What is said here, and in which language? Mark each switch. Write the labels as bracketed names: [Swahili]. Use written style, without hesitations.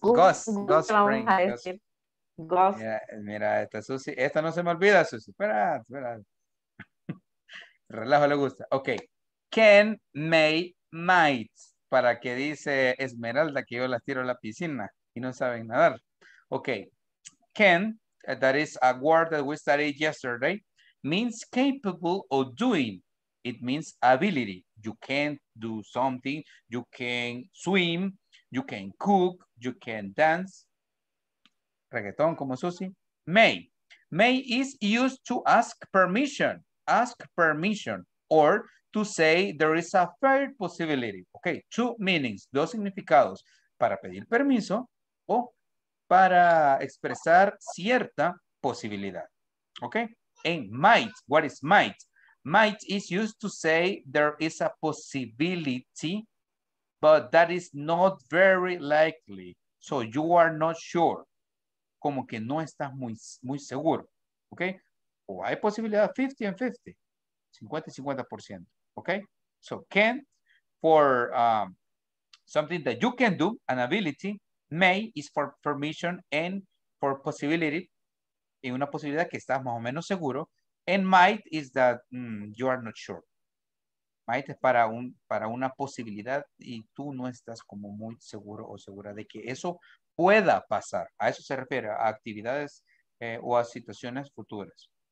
[Spanish] Vamos friend, a decir. Gus. Mira, esta Susi, esta no se me olvida, Susi. Espera. Relajo, le gusta. Ok. Can, may, might. Para que dice Esmeralda que yo las tiro a la piscina y no saben nadar. Ok. [English] Can, that is a word that we studied yesterday, means capable of doing. It means ability. You can do something. You can swim. You can cook. You can dance. [Spanish] Reggaeton como Susi. [English] May. May is used to ask permission, or to say there is a third possibility. Okay, two meanings, [Spanish] dos significados, para pedir permiso o para expresar cierta posibilidad. [English] Okay, and might, what is might? Might is used to say there is a possibility, but that is not very likely. So you are not sure. [Spanish] Como que no estás muy seguro, ¿ok? O hay posibilidad 50 and 50, 50 y 50%, ¿ok? [English] So can for something that you can do, an ability. May is for permission and for possibility. [Spanish] Y una posibilidad que estás más o menos seguro. [English] And might is that you are not sure. [Spanish] Might es para un para una posibilidad y tú no estás como muy seguro o segura de que eso pueda pasar. A eso se refiere, a actividades o a situaciones futuras.